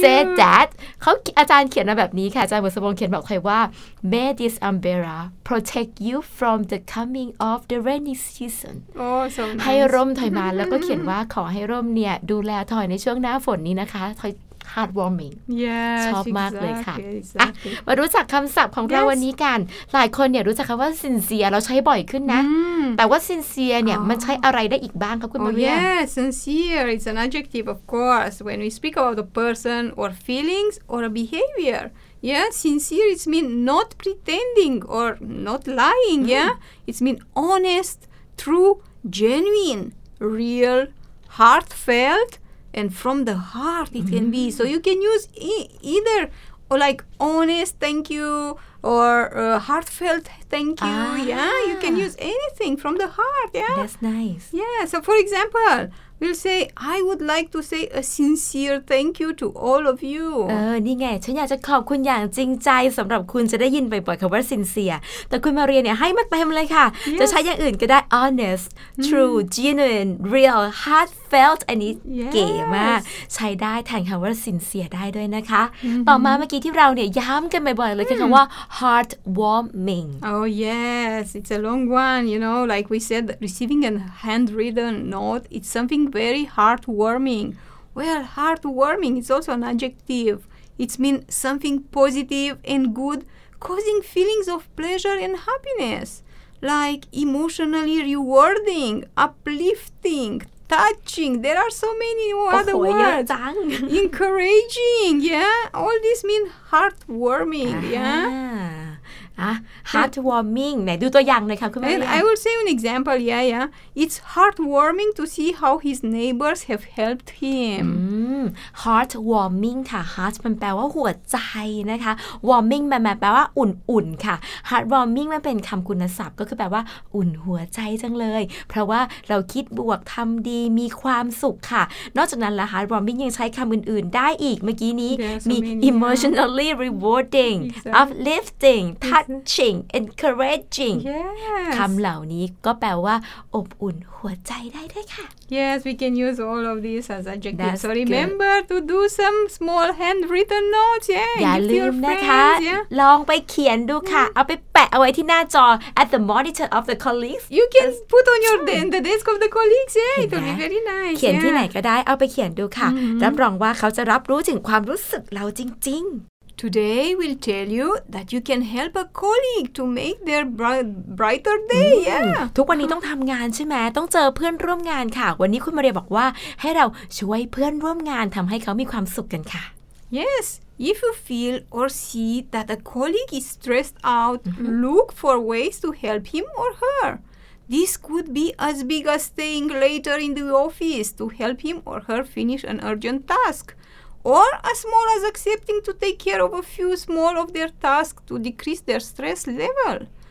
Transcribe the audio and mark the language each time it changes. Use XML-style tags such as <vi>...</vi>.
<en>Said that</en> <th>เขาอาจารย์เขียนมาแบบนี้ค่ะอาจารย์บุษบงเขียนบอกทอยว่า</th> <en>May this umbrella protect you from the coming of the rainy season</en> <th>ให้ร่มทอยมา แล้วก็เขียนว่าขอให้ร่มเนี่ยดูแลทอยในช่วงหน้าฝนนี้นะคะทอยheartwarming</th> <en>yes,</en> <th>ชอบ</th> <en>exactly,</en> <th>มากเลยค่ะ</th> <en>exactly.</en> <th>มารู้จักคำศัพท์ของ</th> <en>yes.</en> <th>เราวันนี้กันหลายคนเนี่ยรู้จักคำว่า sincere เราใช้บ่อยขึ้นนะ แต่ว่า sincere เนี่ย มันใช้อะไรได้อีกบ้างครับคุณ</th> <en>oh, yes sincere it's an adjective of course when we speak about a person or feelings or a behavior yeah sincere it's mean not pretending or not lying yeah it's mean honest true genuine real heartfeltAnd from the heart it can be. So you can use either like honest thank you or heartfelt thank you. Yeah, you can use anything from the heart. Yeah, that's nice. Yeah. So for example, We'll say I would like to say a sincere thank you to all of you.</en> <th>เออนี่ไงฉันอยากจะขอบคุณอย่างจริงใจสำหรับคุณจะได้ยินบ่อยๆคำว่า sincere แต่คุณมาเรียนเนี่ยให้มันเต็มเลยค่ะ</th> <en>yes.</en> <th>จะใช้อย่างอื่นก็ได้</th> <en>honest true genuine real heartfelt</en> <th>อันนี้ เก๋มากใช้ได้แทนคำว่า sincere ได้ด้วยนะคะต่อมาเมื่อกี้ที่เราเนี่ยย้ำกันบ่อยๆเลยคือคำว่า heartwarming</th> <en>oh yes it's a long one you know like we said receiving a handwritten note it's somethingvery heartwarming. Well, heartwarming is also an adjective. It means something positive and good, causing feelings of pleasure and happiness, like emotionally rewarding, upliftingTouching, there are so many other words. Encouraging, yeah? All this mean heartwarming, yeah?</en> <th>Heartwarming. ดูตัวอย่างหน่อยค่ะคุณแม่</th> <en>I will say an example, yeah, yeah. It's heartwarming to see how his neighbors have helped him.</en> <th>Heartwarming ค่ะ Heart มันแปลว่าหัวใจนะคะ Warming มันแปลว่าอุ่นๆค่ะ Heartwarming มันเป็นคำคุณศัพท์ก็คือแปลว่าอุ่นหัวใจจังเลยเพราะว่าเราคิดบวกทำดีมีความสุขค่ะนอกจากนั้นละ heartwarming ยังใช้คำอื่นๆได้อีกเมื่อกี้นี้ มี</th> <en>emotionally rewarding uplifting touching encouraging yes.</en> <th>คำเหล่านี้ก็แปลว่าอบอุ่นหัวใจได้ด้วยค่ะ</th> <en>yes we can use all of these as adjectives That's so remember good. to do some small handwritten notes yeah</en> <th>อย่าลืมนะคะ</th> <en>yeah.</en> <th>ลองไปเขียนดูค่ะ mm. เอาไปแปะเอาไว้ที่หน้าจอ</th> <en>at the monitor of the colleagues you can as put on your in the desk of the colleagues yeah it'll be very nice</en> <th>เขียน</th> <en>yeah.</en> <th>ที่ไหนก็ได้เอาไปเขียนดูค่ะ</th> <en>mm-hmm.</en> <th>รับรองว่าเขาจะรับรู้ถึงความรู้สึกเราจริงๆ</th> <en>Today we'll tell you that you can help a colleague to make their brighter day. Mm-hmm. Yeah.</en> <th>ทุกวันนี้ต้องทำงานใช่ไหมต้องเจอเพื่อนร่วมงานค่ะวันนี้คุณมาเรียบอกว่าให้เราช่วยเพื่อนร่วมงานทำให้เขามีความสุขกันค่ะ</th> <en>Yes. If you feel or see that a colleague is stressed out, look for ways to help him or her. This could be as big as staying later in the office to help him or her finish an urgent task, or as small as accepting to take care of a few small of their tasks to decrease their stress level.</en>